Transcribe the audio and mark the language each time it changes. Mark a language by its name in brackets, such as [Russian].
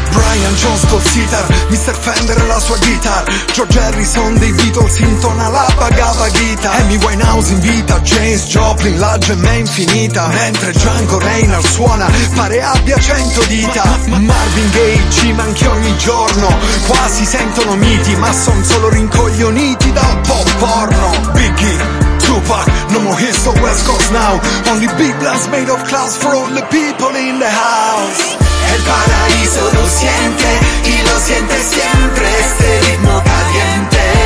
[Italian] Brian Jones col sitar, Mr. Fender e la sua guitar, George Harrison dei Beatles intona la Bhagavad Gita, Amy Winehouse in vita, James Joplin la gemma infinita, mentre Django Reinhardt suona pare abbia 100 dita. Marvin Gaye ci manchi ogni giorno, quasi sentono miti, ma son solo rincoglioniti dal pop porno. [English] Biggie, Tupac, no more hits the West Coast now, only big blasts made of class for all the people in the house. [Spanish] El paraíso lo siente y lo siente siempre este ritmo caliente.